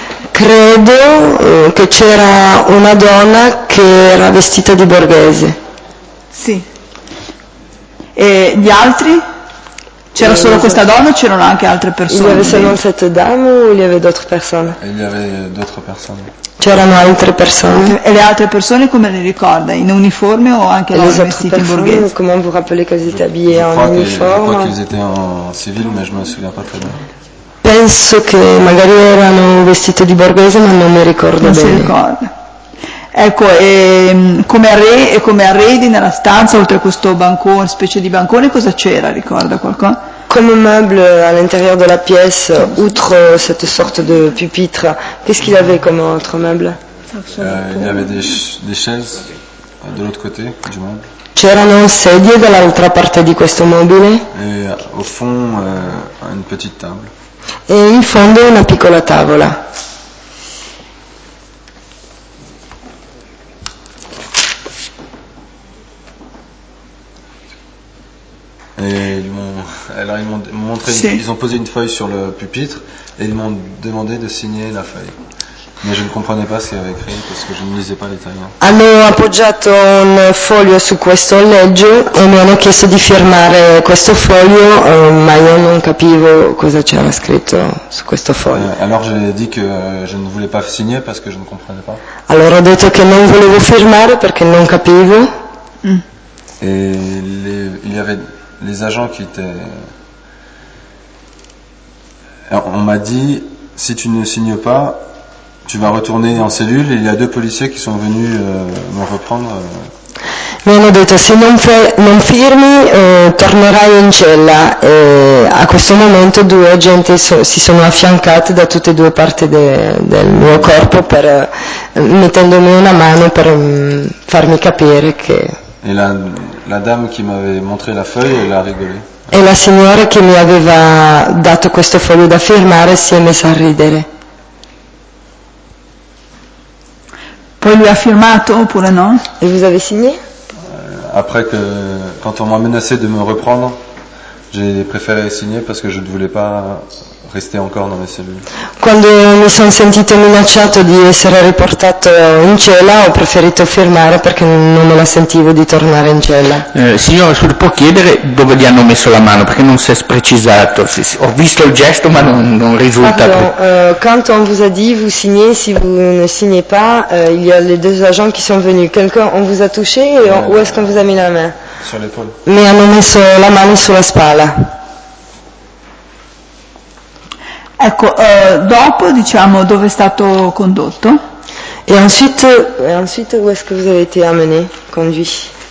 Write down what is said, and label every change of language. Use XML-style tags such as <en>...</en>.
<it>Credo che c'era una donna che era vestita di borghese. Sì. E gli altri? C'era solo questa donna o c'erano anche altre persone?</it> <fr>Il y avait seulement cette dame ou il y avait d'autres personnes? Il y avait d'autres personnes.</fr> <it>C'erano altre persone. E le altre persone come le ricorda? In uniforme o anche le loro vestiti in borghese?</it> <fr>Come vous rappelez qu'elles étaient habillées en uniforme? Je crois qu'ils étaient en civil, mais je me souviens pas très bien.</fr> <it>Penso che magari erano vestite di borghese, ma non mi ricordo non bene. Non si ricorda. Ecco, e come arredi, nella stanza, oltre a questo bancone, specie di bancone, cosa c'era? Ricorda qualcosa?</it> <fr>Come meuble à l'intérieur de la pièce, outre cette sorte de pupitre, qu'est-ce qu'il avait comme autre meuble? Il y avait des chaises de l'autre côté du meuble.</fr> <it>C'erano sedie dall'altra parte di questo mobile.</it> <fr>E au fond, une petite table.</fr> <it>E in fondo una piccola tavola.</it> <fr>Alors ils m'ont montré, ils ont posé une feuille sur le pupitre et ils m'ont demandé de signer la feuille. Mais je ne comprenais pas ce qu'il y avait écrit parce que je ne lisais pas l'italien.</fr> <it>Hanno appoggiato un foglio su questo legge e mi hanno chiesto di firmare questo foglio, ma io non capivo cosa c'era scritto su questo foglio.</it> <fr>Alors j'ai dit que je ne voulais pas signer parce que je ne comprenais pas.</fr> <it>Allora ho detto che non volevo firmare perché non capivo.</it> <fr>E il y avait les agents qui étaient. On m'a dit, si tu ne signes pas, tu vas retourner en cellule. Il y a deux policiers qui sont venus me reprendre.</fr> <it>Mi hanno detto, se non firmi, tornerai in cella. E a questo momento, due agenti si sono affiancati da tutte e due parti del mio corpo, per mettendomi una mano per farmi capire che.</it> <fr>E la dame qui m'avait montré la feuille, elle a rigolé.</fr> <it>E la signora che mi aveva dato questo foglio da firmare si è messa a ridere. Poi lui ha firmato oppure no?</it> <fr>E vous avez signé? Après que quand on m'a menacé de me reprendre, j'ai préféré signer parce que je ne voulais pas rester encore dans mes cellules.</fr> <it>Quando mi sono sentito minacciato di essere riportato in cella, ho preferito firmare perché non me la sentivo di tornare in cella. Signora, si può chiedere dove gli hanno messo la mano? Perché non si è precisato. Ho visto il gesto, ma non risulta.</it> <fr>Pardon, quand on vous a dit vous signez, si vous ne signez pas, il y a les deux agents qui sont venus. Quelqu'un, on vous a touché où est-ce qu'on vous a mis la main? Sur l'épaule.</fr> <it>Mi hanno messo la mano sulla spalla. Ecco, dopo, diciamo, dove è stato condotto?</it> <fr>E ensuite, où est-ce que vous avez été amené, conduit?</fr>